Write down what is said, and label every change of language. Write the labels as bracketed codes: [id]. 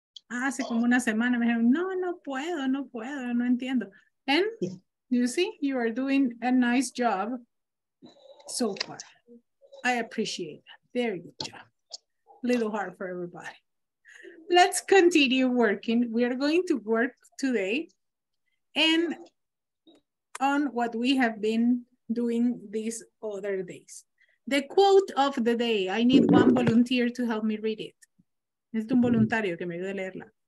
[es] Hace como una semana me dijeron, no, no puedo, no puedo, no entiendo. [en] And you see, you are doing a nice job so far. I appreciate that. Very good job. Little hard for everybody. Let's continue working. We are going to work today and on what we have been doing these other days. The quote of the day. I need one volunteer to help me read it. [es] Es un voluntario que me ayude a leerla.